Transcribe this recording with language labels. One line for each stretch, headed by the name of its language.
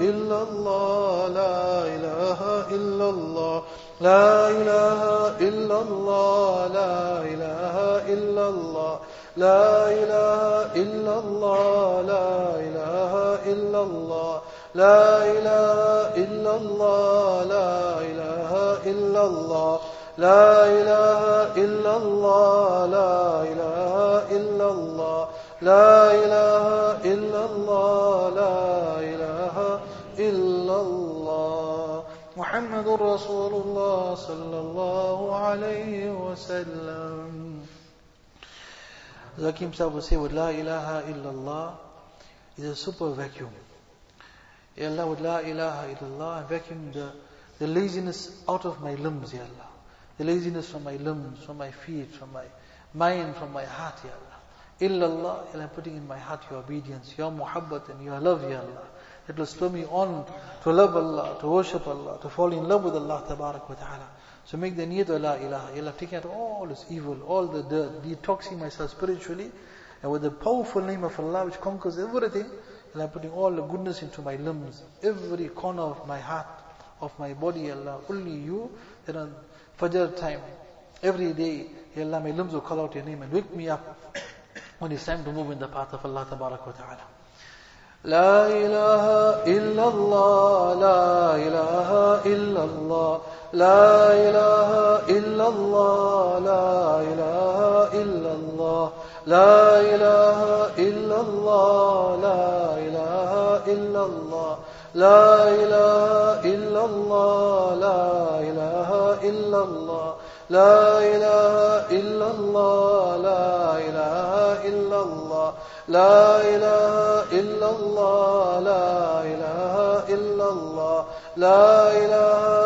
Arabic: إلا الله لا إله إلا الله لا إله إلا الله لا إله إلا الله لا إله إلا الله لا إله إلا الله لا إله إلا الله لا إله إلا الله لا إله إلا الله لا إله إلا الله لا إله إلا الله لا إله إلا الله محمد رسول الله صلى الله عليه وسلم
English: As Hakim Sahib will say, with La ilaha illallah, is a super vacuum. Ya Allah, with La ilaha illallah, I vacuum the laziness out of my limbs, Ya Allah. The laziness from my limbs, from my feet, from my mind, from my heart, Ya Allah. Illallah, Ya Allah, I'm putting in my heart your obedience, your muhabbat and your love, Ya Allah. It will spur me on to love Allah, to worship Allah, to fall in love with Allah, Tabarak wa Ta'ala. So make the niyat of La ilaha, Ya Allah, taking out all this evil, all the dirt, detoxing myself spiritually, and with the powerful name of Allah which conquers everything, Ya Allah, putting all the goodness into my limbs, every corner of my heart, of my body, Ya Allah, only you, then on Fajr time, every day, Ya Allah, my limbs will call out your name and wake me up when it's time to move in the path of Allah, Tabarak wa Ta'ala.
Arabic: لا إله إلا الله لا إله إلا الله لا إله إلا الله لا إله إلا الله لا إله إلا الله لا إله إلا الله لا إله إلا الله لا إله إلا الله لا إله إلا الله لا إله إلا الله لا إله إلا الله لا إله إلا الله لا إله